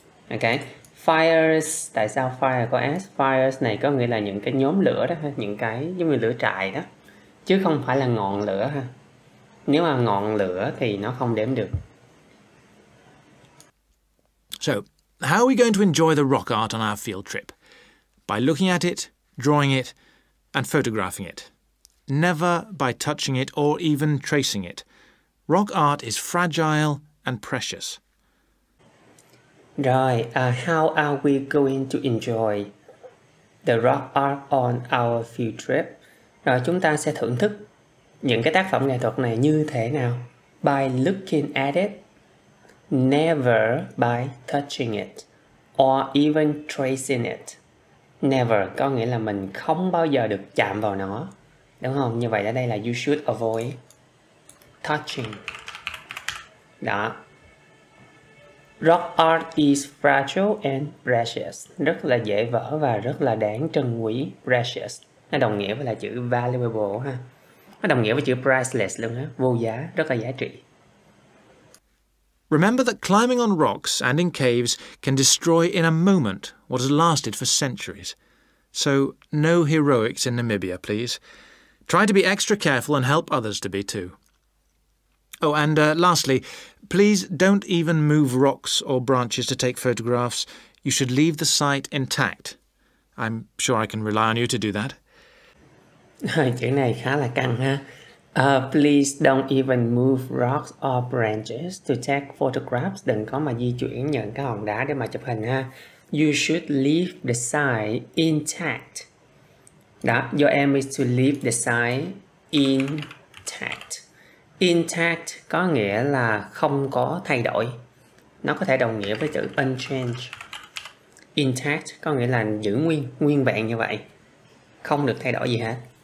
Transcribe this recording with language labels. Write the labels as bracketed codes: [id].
[vi] Ok. Fires, tại sao fire có S? Fires này có nghĩa là những cái nhóm lửa đó, những cái giống như lửa trại đó. Chứ không phải là ngọn lửa ha. Nếu mà ngọn lửa thì nó không đếm được. [en] So, how are we going to enjoy the rock art on our field trip? By looking at it, drawing it, and photographing it. Never by touching it or even tracing it. Rock art is fragile and precious. Right, how are we going to enjoy the rock art on our field trip? [vi] Rồi, chúng ta sẽ thưởng thức những cái tác phẩm nghệ thuật này như thế nào? [en] By looking at it, never by touching it, or even tracing it. [vi] Never có nghĩa là mình không bao giờ được chạm vào nó. Đúng không? Như vậy ở đây là [en] you should avoid touching. [vi] Đó. [en] Rock art is fragile and precious. [vi] Rất là dễ vỡ và rất là đáng trân quý. Precious. Nó đồng nghĩa với là chữ valuable ha. Nó đồng nghĩa với chữ priceless luôn á, vô giá, rất là giá trị. [en] Remember that climbing on rocks and in caves can destroy in a moment what has lasted for centuries. So, no heroics in Namibia, please. Try to be extra careful and help others to be too. Oh, and lastly, please don't even move rocks or branches to take photographs. You should leave the site intact. I'm sure I can rely on you to do that. [vi] Chữ này khá là căng ha. [en] Please don't even move rocks or branches to take photographs. [vi] Đừng có mà di chuyển những cái hòn đá để mà chụp hình ha. [en] You should leave the site intact. Đó, your aim is to leave the site intact. [vi] Intact có nghĩa là không có thay đổi. Nó có thể đồng nghĩa với chữ unchanged. Intact có nghĩa là giữ nguyên, nguyên vẹn như vậy. Không được thay đổi gì hết.